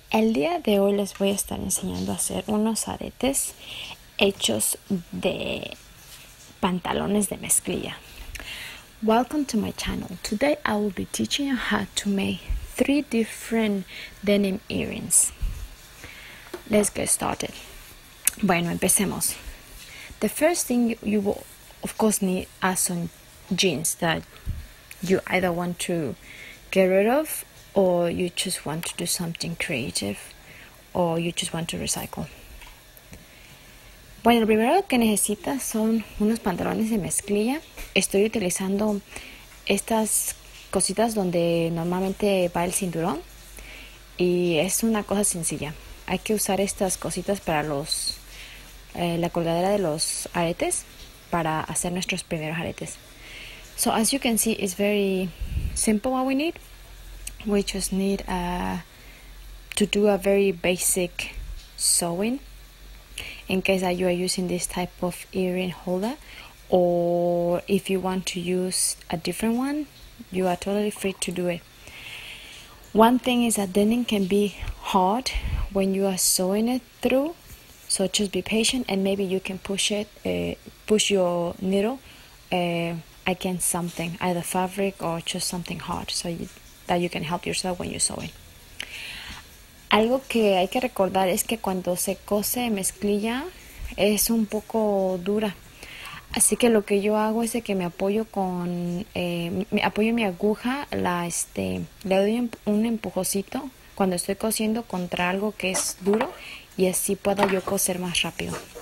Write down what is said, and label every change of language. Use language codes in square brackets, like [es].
[es] El día de hoy les voy a estar enseñando a hacer unos aretes hechos de pantalones de mezclilla. [en] Welcome to my channel. Today I will be teaching you how to make 3 different denim earrings. Let's get started. [es] Bueno, empecemos. [en] The first thing you will of course need are some jeans that you either want to get rid of, or you just want to do something creative, or you just want to recycle. [es] Bueno, lo primero que necesitas son unos pantalones de mezclilla. Estoy utilizando estas cositas donde normalmente va el cinturón, y es una cosa sencilla. Hay que usar estas cositas para los la colgadera de los aretes, para hacer nuestros primeros aretes. [en] So as you can see, it's very simple what we need. We just need to do a very basic sewing, in case that you are using this type of earring holder, or if you want to use a different one, you are totally free to do it. One thing is that denim can be hard when you are sewing it through, so just be patient, and maybe you can push your needle against something, either fabric or just something hard, so that you can help yourself when you're sewing. [es] Algo que hay que recordar es que cuando se cose mezclilla es un poco dura, así que lo que yo hago es que me apoyo mi aguja, le doy un empujocito cuando estoy cosiendo contra algo que es duro, y así pueda yo coser más rápido.